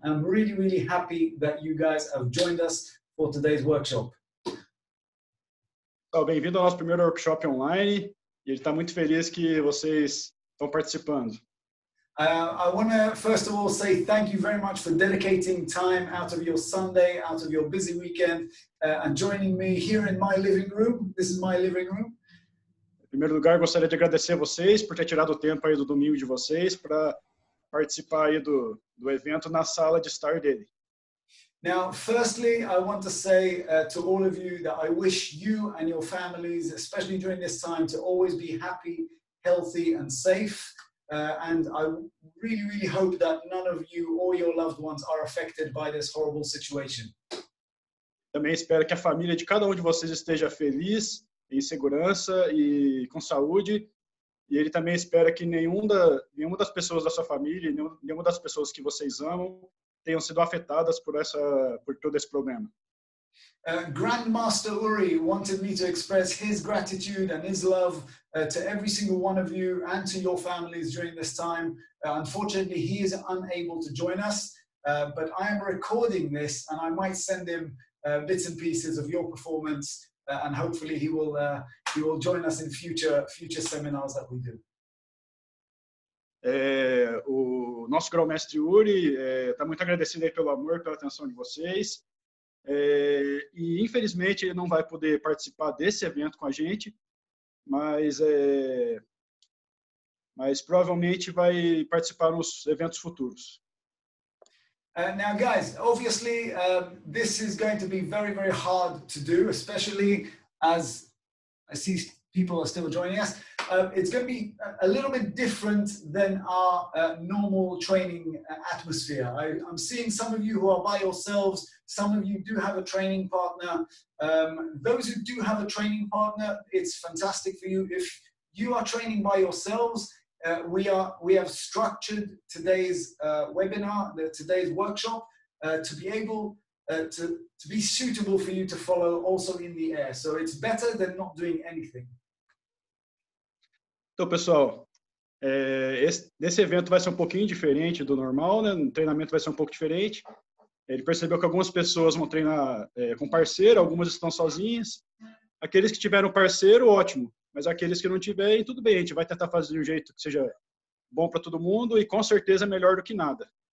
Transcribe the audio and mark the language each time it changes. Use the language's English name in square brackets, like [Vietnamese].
[English] I'm really, really happy that you guys have joined us for today's workshop. [Portuguese] Oh, bem-vindo ao nosso primeiro workshop online. Ele está muito feliz que vocês estão participando. [English] I want to first of all say thank you very much for dedicating time out of your Sunday, out of your busy weekend, and joining me here in my living room. This is my living room. [Portuguese] Em primeiro lugar, gostaria de agradecer a vocês por ter tirado o tempo aí do domingo de vocês para participar aí do evento na sala de estar dele. [English] Now, firstly, I want to say to all of you that I wish you and your families, especially during this time, to always be happy, healthy, and safe. And I really, really hope that none of you or your loved ones are affected by this horrible situation. [Portuguese] Também espero que a família de cada um de vocês esteja feliz, em segurança e com saúde. E ele também espera que nenhuma das pessoas da sua família, nenhuma das pessoas que vocês amam, tenham sido afetadas por todo esse problema. [English] Grandmaster Uri wanted me to express his gratitude and his love to every single one of you and to your families during this time. Unfortunately, he is unable to join us, but I am recording this and I might send him bits and pieces of your performance and hopefully he will join us in future seminars that we do. [Portuguese] O nosso grão-mestre Uri está muito agradecido aí pelo amor, pela atenção de vocês. E infelizmente ele não vai poder participar desse evento com a gente, mas provavelmente vai participar nos eventos futuros. [English] Now guys, obviously this is going to be very, very hard to do, especially as I see people are still joining us. It's going to be a little bit different than our normal training atmosphere. I'm seeing some of you who are by yourselves. Some of you do have a training partner. Those who do have a training partner, it's fantastic for you. If you are training by yourselves, we have structured today's webinar, today's workshop, to be able to be suitable for you to follow also in the air. So it's better than not doing anything. [Portuguese] Então, pessoal, esse evento vai ser um pouquinho diferente do normal, né? O treinamento vai ser um pouco diferente. Ele percebeu que algumas pessoas vão treinar com parceiro, algumas estão sozinhas. Aqueles que tiveram parceiro, ótimo. Mas aqueles que não tiverem, tudo bem. A gente vai tentar fazer de um jeito que seja bom para todo mundo e, com certeza, melhor do que nada.